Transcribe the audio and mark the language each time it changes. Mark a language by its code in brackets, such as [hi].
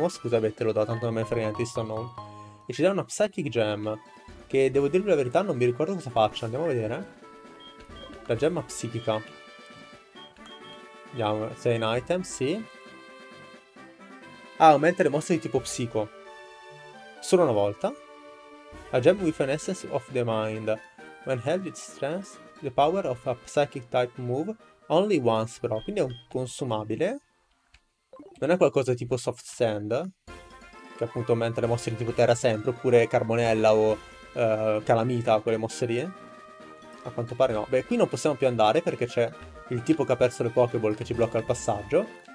[it] Ma scusa, beh, te lo do, tanto non me ne frega niente di sto Unown. E ci dà una Psychic Gem, che devo dirvi la verità, non mi ricordo cosa faccia. Andiamo a vedere. La gemma psichica. Vediamo, sei in item, sì. Ah, aumenta le mosse di tipo psico. Solo una volta. [en] A gem with an essence of the mind. When held its strength, the power of a psychic type move. Only once, [it] però. Quindi è un consumabile. Non è qualcosa tipo Soft Sand, che appunto aumenta le mosse di tipo terra sempre, oppure Carbonella o Calamita, quelle mosse lì. A quanto pare no. Beh, qui non possiamo più andare perché c'è il tipo che ha perso le Pokéball che ci blocca il passaggio.